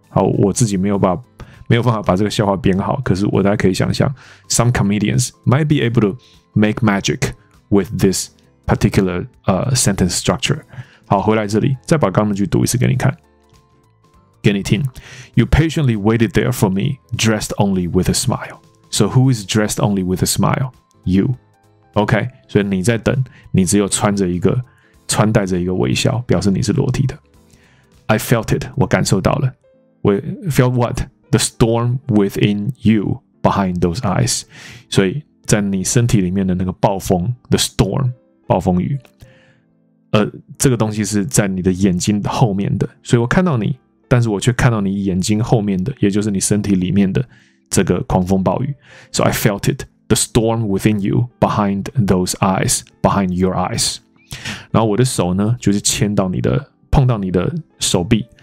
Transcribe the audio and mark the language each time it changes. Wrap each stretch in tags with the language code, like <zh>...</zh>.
<zh>好，我自己没有办法把这个笑话编好，可是我大家可以想象 ，</zh> <en>some comedians might be able to make magic with this。 Particular sentence structure.</en> <zh>好，回来这里，再把刚的句读一次给你看，给你听。</zh> <en>You patiently waited there for me, dressed only with a smile. So who is dressed only with a smile? You.</en> <zh>OK, 所以你在等，你只有穿戴着一个微笑，表示你是裸体的。</zh> <en>I felt it.</en> <zh>我感受到了。</zh> <en>We felt what? The storm within you behind those eyes.</en> <zh>所以在你身体里面的那个暴风 ，</zh> <en>the storm.</en> <zh>暴风雨，这个东西是在你的眼睛后面的，所以我看到你，但是我却看到你眼睛后面的，也就是你身体里面的这个狂风暴雨。</zh> <en>So I felt it, the storm within you, behind those eyes, behind your eyes.</en> <zh>然后我的手呢，就是碰到你的手臂。</zh>